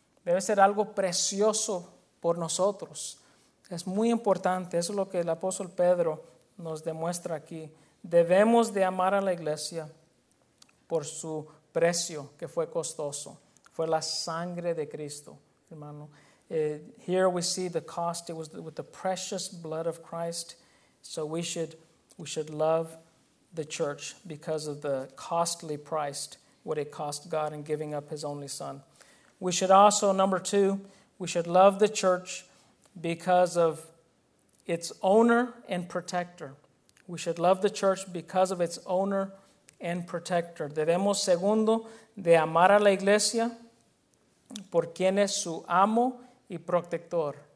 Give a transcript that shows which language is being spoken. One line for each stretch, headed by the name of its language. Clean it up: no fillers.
Spanish: Debe ser algo precioso por nosotros. Es muy importante. Eso es lo que el apóstol Pedro nos demuestra aquí. Debemos de amar a la iglesia por su precio que fue costoso. Fue la sangre de Cristo, hermano.
English: Here we see the cost. It was with the precious blood of Christ. So we should love the church because of the costly price, what it cost God in giving up his only son. We should also, number two, We should love the church because of its owner and protector. We should love the church because of its owner and protector.
Spanish: Debemos, segundo, de amar a la iglesia por quien es su amo y protector.